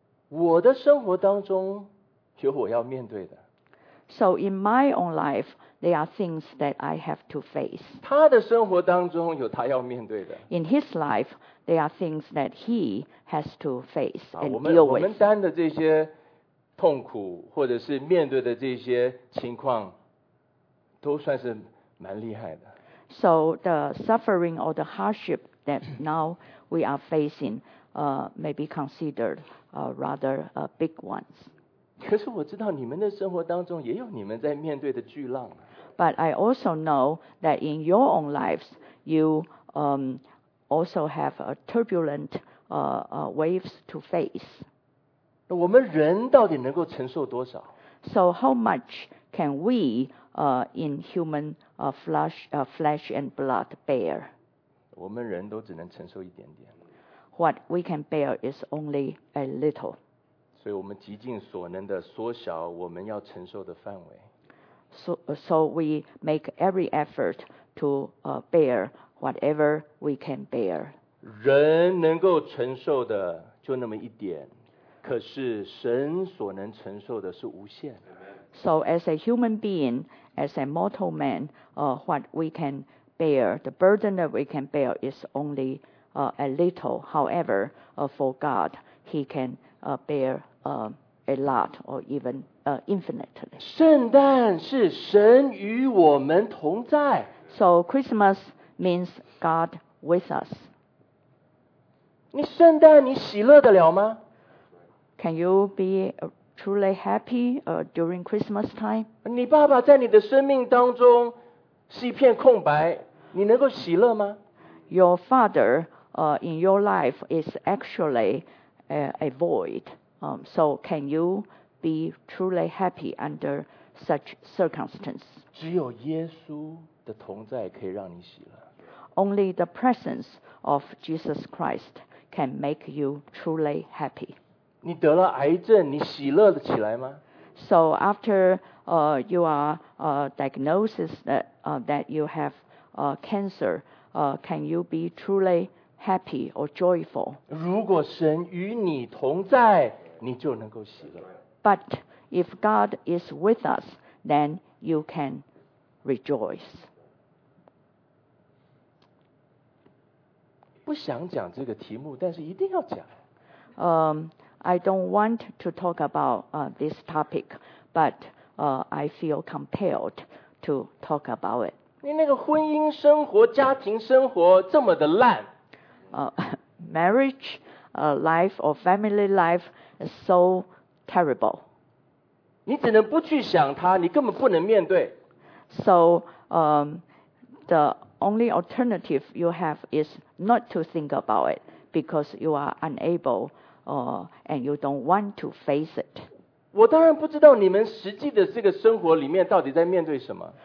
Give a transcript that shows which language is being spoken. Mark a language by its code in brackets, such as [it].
[zh] 我的生活当中有我要面对的。 [en] So in my own life,There are things that I have to face. [zh] 他的生活当中有他要面对的。 [en] In his life, there are things that he has to face and deal with. [zh] 我们担的这些痛苦，或者是面对的这些情况，都算是蛮厉害的。 [en] So the suffering or the hardship that now we are facing, may be considered, rather, big ones. [zh] 可是我知道你们的生活当中也有你们在面对的巨浪。 [en] But I also know that in your own lives, you, also have a turbulent, waves to face. [zh] 我们人到底能够承受多少？ [en] So how much can we, in human, flesh, flesh and blood bear? [zh] 我们人都只能承受一点点。 [en] What we can bear is only a little. [zh] 所以我们极尽所能的缩小我们要承受的范围。 [en] So we make every effort to bear whatever we can bear. [zh] 人能够承受的就那么一点，可是神所能承受的是无限。 [en] So as a human being, as a mortal man, what we can bear, the burden that we can bear is only a little. However, for God, He can bear a lot or even infinitely. [zh] 圣诞是神与我们同在。 [en] So Christmas means God with us. [zh] 你圣诞你喜乐得了吗？ [en] Can you be truly happy during Christmas time? [zh] 你爸爸在你的生命当中是一片空白，你能够喜乐吗？ [en] Your father in your life is actually a void. So can you be truly happy under such circumstance? [zh] 只有耶稣的同在可以让你喜乐。 [en] Only the presence of Jesus Christ can make you truly happy. [zh] 你得了癌症，你喜乐了起来吗？ [en] So after you are diagnosed that you have cancer, can you be truly happy or joyful? [zh] 如果神与你同在，你就能够喜乐。 [en] But if God is with us, then you can rejoice. [zh] 不想讲这个题目，但是一定要讲。 [en] I don't want to talk about this topic, but I feel compelled to talk about it. [zh] 你那个婚姻生活、家庭生活这么的烂。 [en] Marriage, life or family life is so terrible. [zh] 你只能不去想它，你根本不能面对。 [en] So, the only alternative you have is not to think about it because you are unable, and you don't want to face it. [zh] 我当然不知道你们实际的这个生活里面到底在面对什么。